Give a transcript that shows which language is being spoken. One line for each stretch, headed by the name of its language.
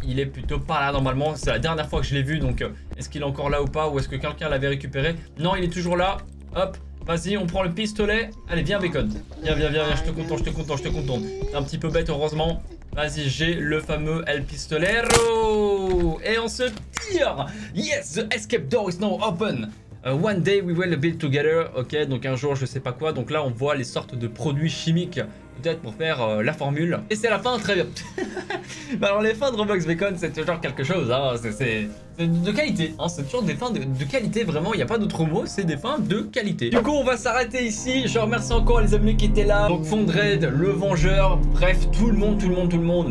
French: Il est plutôt par là normalement. C'est la dernière fois que je l'ai vu. Donc est-ce qu'il est encore là ou pas? Ou est-ce que quelqu'un l'avait récupéré? Non, il est toujours là. Hop. Vas-y, on prend le pistolet. Allez, viens Bécole. Viens, viens, viens, viens, je te contourne, je te contourne, je te contourne. T'es un petit peu bête, heureusement. Vas-y, j'ai le fameux El Pistolero. Et on se tire.
English: Yes, the escape door is now open. One day we will build together.
French: Ok, donc un jour je sais pas quoi. Donc là on voit les sortes de produits chimiques. Peut-être pour faire la formule. Et c'est la fin, très bien. Bah alors les fins de Roblox Bacon, c'est toujours quelque chose hein. C'est de qualité hein. C'est toujours des fins de qualité, vraiment. Il n'y a pas d'autre mot, c'est des fins de qualité. Du coup on va s'arrêter ici, je remercie encore les amis qui étaient là, donc Fondred, le Vengeur, bref tout le monde, tout le monde, tout le monde.